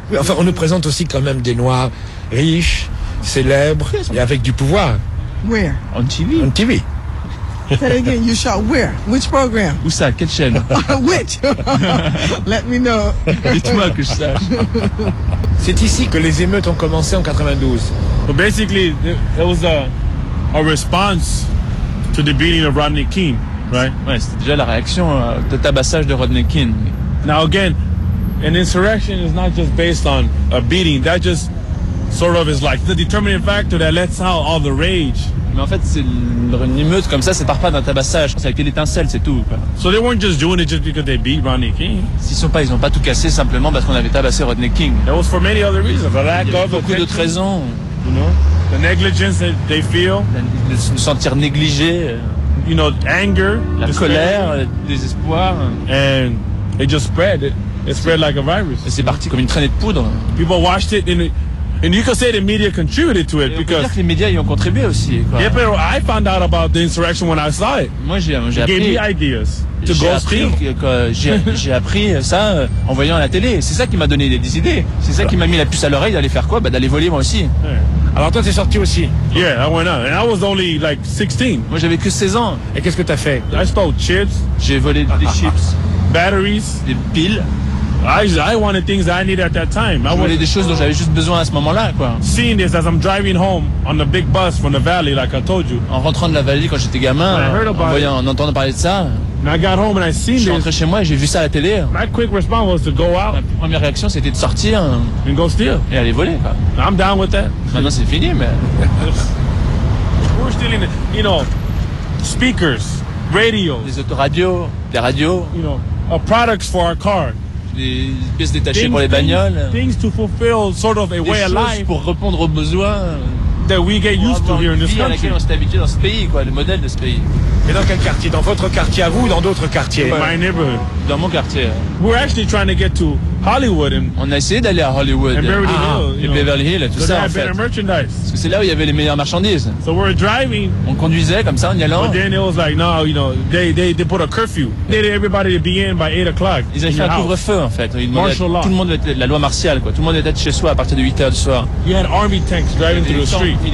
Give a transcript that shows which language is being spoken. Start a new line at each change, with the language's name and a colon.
French: Oui, enfin, on nous présente aussi quand même des noirs riches, célèbres et avec du pouvoir.
English: Where? On TV. On TV. Say that again, you shot where? Which program?
French: Où ça? Quelle chaîne?
English: Which? Let me know.
French: Dites-moi que je sache. C'est ici que les émeutes ont commencé en 92.
English: So basically, that was a response to the beating of Rodney King, right?
French: Ouais, c'était déjà la réaction de tabassage de Rodney King.
English: Now again, an insurrection is not just based on a beating. That just sort of is like the determining factor that lets out all the rage.
French: Mais en fait, une émeute comme ça, c'est par pas d'un tabassage. C'est avec une étincelle, c'est tout. Quoi.
English: So they weren't just doing it just because they beat Rodney King.
French: S'ils sont pas, ils ont pas tout cassé simplement parce qu'on avait tabassé Rodney King.
English: That was for many other reasons. The lack of
French: beaucoup d'autres raisons.
English: You know? The negligence that they feel,
French: se sentir négligé,
English: you know, anger,
French: la colère, le désespoir,
English: and it just spread. It spread like a virus.
French: Et c'est parti comme une traînée de poudre.
English: People watched it, and you could say the media contributed to it because
French: les médias y ont contribué aussi. Quoi.
English: Yeah, but I found out about the insurrection when I saw it.
French: Moi, j'ai appris.
English: It gave me ideas to go steal.
French: J'ai appris ça en voyant la télé. C'est ça qui m'a donné des idées. C'est ça qui m'a mis la puce à l'oreille d'aller faire quoi, bah d'aller voler moi aussi. Yeah. Alors toi, t'es sorti aussi.
English: Yeah, I went out. And I was only like 16.
French: Moi, j'avais que 16 ans. Et qu'est-ce que t'as fait?
English: I stole chips.
French: J'ai volé des chips.
English: Batteries.
French: Des piles.
English: I wanted things that I needed at that time.
French: Je voulais des choses dont j'avais juste besoin à ce moment-là, quoi.
English: Seeing this as I'm driving home on the big bus from the valley, like I told you.
French: En rentrant de la vallée quand j'étais gamin, en entendant parler de ça.
English: And I got home and I seen this.
French: Je suis rentré chez moi et j'ai vu ça à la télé.
English: My quick response was to go out.
French: Ma première réaction, c'était de sortir.
English: And go steal.
French: Et aller voler, quoi.
English: I'm down with that.
French: Maintenant, c'est fini, mais.
English: We're stealing, you know, speakers, radios.
French: Des autoradios, des radios.
English: You know, products for our car.
French: Des pièces détachées pour les bagnoles.
English: Things to fulfill sort of a way of life.
French: Pour répondre aux besoins.
English: That we get used to here in this country.
French: À laquelle on s'est habitué dans ce pays, quoi, le modèle de ce pays. Et dans quel quartier? Dans votre quartier à vous ou dans d'autres quartiers?
English: In my neighborhood.
French: Dans mon quartier.
English: We're actually trying to get to Hollywood and.
French: On a essayé d'aller à Hollywood.
English: And Beverly Hills.
French: Et Beverly Hills, tout ça.
English: Because they had better merchandise.
French: Parce que c'est là où il y avait les meilleures marchandises.
English: So we're driving.
French: On conduisait comme ça en y allant.
English: But then it was like, no, you know, they put a curfew. They did everybody to be in by 8 o'clock.
French: Ils avaient fait un couvre-feu en fait.
English: Martial law.
French: Tout le monde était la loi martiale, quoi. Tout le monde était chez soi à partir de 8h du soir.
English: You had army tanks driving through the street.